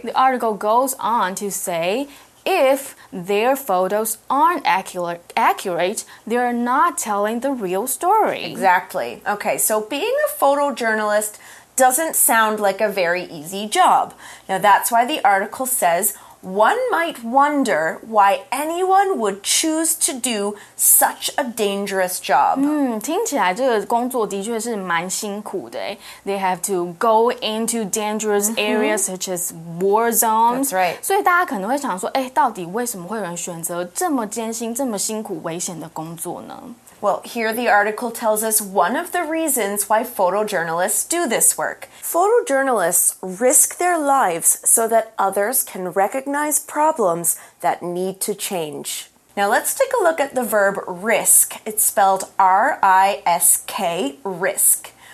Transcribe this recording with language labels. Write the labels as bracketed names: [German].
[English] The article goes on to say, if their photos aren't accurate, they are not telling the real story. Exactly. Okay, so being a photojournalist doesn't sound like a very easy job. Now, that's why the article says,One might wonder why anyone would choose to do such a dangerous job. [Chinese] 听起来这个工作的确是蛮辛苦的。 [English] They have to go into dangerous areas、mm-hmm. such as war zones. That's right. [Chinese] 所以大家可能会想说，哎，到底为什么会有人选择这么艰辛、这么辛苦、危险的工作呢？ [English] Well, here the article tells us one of the reasons why photojournalists do this work. Photojournalists risk their lives so that others can recognize problems that need to change. Now let's take a look at the verb risk. It's spelled R-I-S-K, risk.